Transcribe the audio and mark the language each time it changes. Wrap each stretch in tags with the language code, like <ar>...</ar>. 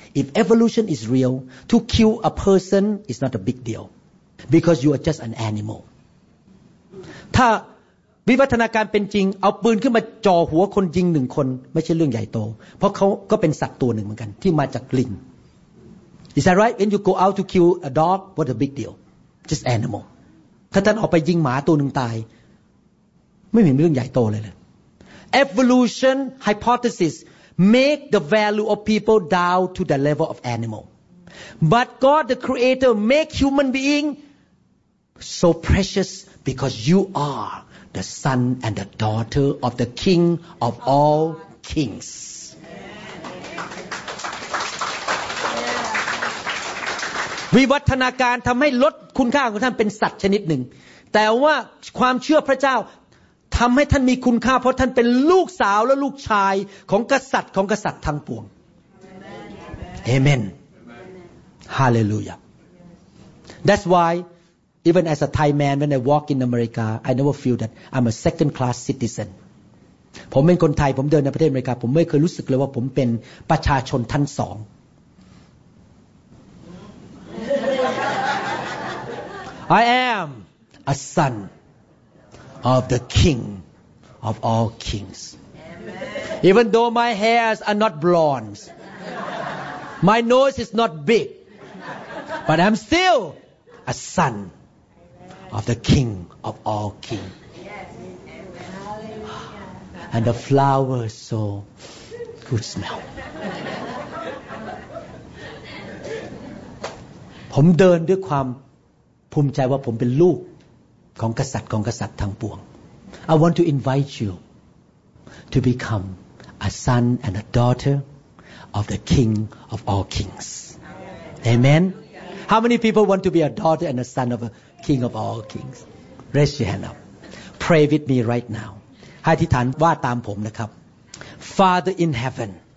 <en>If evolution is real, to kill a person is not a big deal because you are just an animal.</en> <th>ถ้าวิวัฒนาการเป็นจริงเอาปืนขึ้นมาจ่อหัวคนยิงหนึ่งคนไม่ใช่เรื่องใหญ่โตเพราะเขาก็เป็นสัตว์ตัวหนึ่งเหมือนกันที่มาจากลิง</th> <en>Is that right? When you go out to kill a dog, what a big deal? Just animal.</en> <th>ถ้าท่านออกไปยิงหมาตัวหนึ่งตายไม่เห็นเรื่องใหญ่โตเลยเลย</th> <en>Evolution hypothesis make the value of people down to the level of animal. But God the creator make human being so precious because you areThe son and the daughter of the king of all kings.</en> <th>วิวัฒนาการทำให้ลดคุณค่าของท่านเป็นสัตว์ชนิดหนึ่งแต่ว่าความเชื่อพระเจ้าทำให้ท่านมีคุณค่าเพราะท่านเป็นลูกสาวและลูกชายของกษัตริย์ของกษัตริย์ทั้งปวง Amen.</th> <en>Hallelujah. That's why. Even as a Thai man, when I walk in America, I never feel that I'm a second-class citizen.</en> <th>ผมเป็นคนไทยผมเดินในประเทศอเมริกาผมไม่เคยรู้สึกเลยว่าผมเป็นประชาชนท่านสอง</th> <en>I am a son of the King of all kings. Even though my hairs are not blonde, my nose is not big, but I'm still a son. Of the King of all kings, and the flowers so good smell.</en> <th>ผมเดินด้วยความภูมิใจว่าผมเป็นลูกของกษัตริย์ของกษัตริย์ทั้งปวง</th> <en>I want to invite you to become a son and a daughter of the King of all kings. Amen. How many people want to be a daughter and a son of a? King of all kings. Raise your hand up. Pray with me right now.</en> <th>ให้อธิษฐานว่าตามผมนะครับ</th> <en>Father in heaven.</en>